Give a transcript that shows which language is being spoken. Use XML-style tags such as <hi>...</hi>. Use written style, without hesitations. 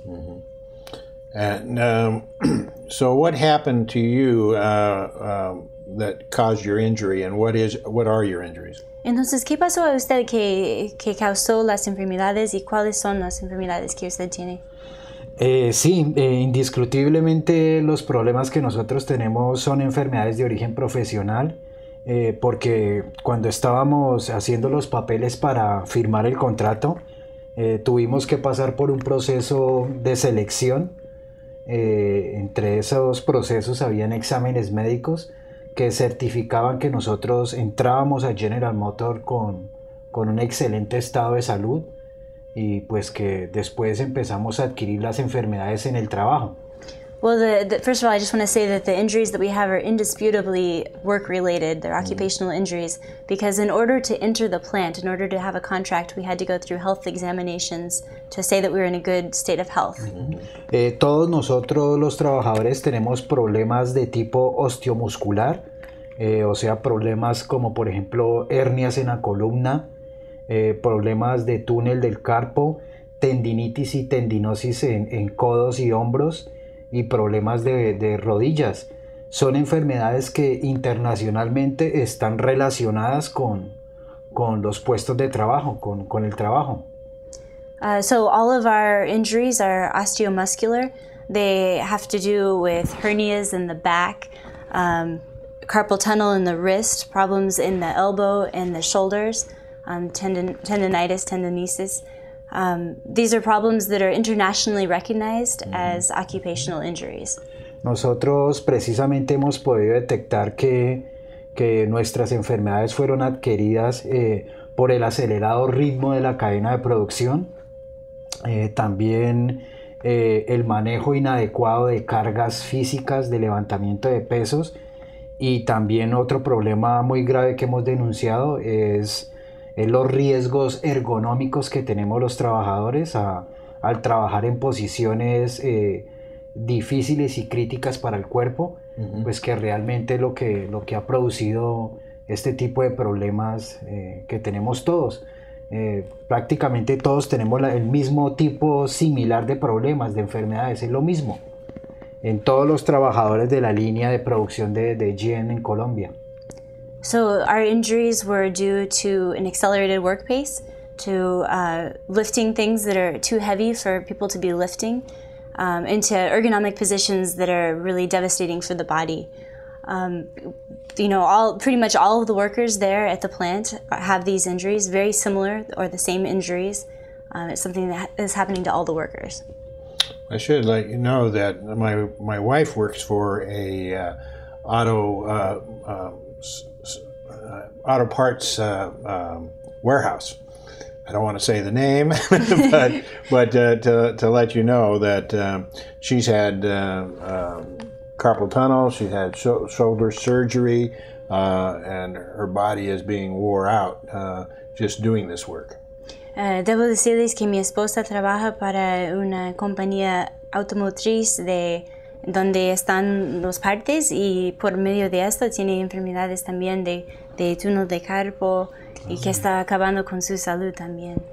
<en>Mm-hmm. And so what happened to you that caused your injury, and what are your injuries?</en> <es>Entonces, ¿qué pasó a usted que causó las enfermedades y cuáles son las enfermedades que usted tiene? Indiscutiblemente los problemas que nosotros tenemos son enfermedades de origen profesional, porque cuando estábamos haciendo los papeles para firmar el contrato, tuvimos que pasar por un proceso de selección. Entre esos procesos habían exámenes médicos que certificaban que nosotros entrábamos a General Motors con un excelente estado de salud, y pues que después empezamos a adquirir las enfermedades en el trabajo.</es> <en>Well, first of all, I just want to say that the injuries that we have are indisputably work-related. They're occupational injuries, because in order to enter the plant, in order to have a contract, we had to go through health examinations to say that we were in a good state of health. Mm-hmm.</en> <es>Todos nosotros los trabajadores tenemos problemas de tipo osteomuscular, o sea, problemas como, por ejemplo, hernias en la columna, problemas de túnel del carpo, tendinitis y tendinosis en codos y hombros, y problemas de rodillas. Son enfermedades que internacionalmente están relacionadas con los puestos de trabajo, con el trabajo.</es> <en>So all of our injuries are osteomuscular. They have to do with hernias in the back, carpal tunnel in the wrist, problems in the elbow and the shoulders. Tendinitis, tendinosis. These are problems that are internationally recognized as occupational injuries.</en> <es>Nosotros precisamente hemos podido detectar que nuestras enfermedades fueron adquiridas por el acelerado ritmo de la cadena de producción, también el manejo inadecuado de cargas físicas, de levantamiento de pesos, y también otro problema muy grave que hemos denunciado es los riesgos ergonómicos que tenemos los trabajadores al trabajar en posiciones difíciles y críticas para el cuerpo, mm-hmm. pues que realmente lo que ha producido este tipo de problemas que tenemos todos. Prácticamente todos tenemos el mismo tipo similar de problemas, de enfermedades, es lo mismo en todos los trabajadores de la línea de producción de GM en Colombia.</es> <en>So our injuries were due to an accelerated work pace, to lifting things that are too heavy for people to be lifting, into ergonomic positions that are really devastating for the body. Pretty much all of the workers there at the plant have these injuries, very similar or the same injuries. It's something that is happening to all the workers. I should let you know that my wife works for a auto parts warehouse. I don't want to say the name, but to let you know that she's had carpal tunnel, she's had shoulder surgery, and her body is being wore out just doing this work.</en> <es>Debo decirles que mi esposa trabaja para una compañía automotriz de donde están los partes y por medio de esto tiene enfermedades también de túnel de carpo y que está acabando con su salud también.</es>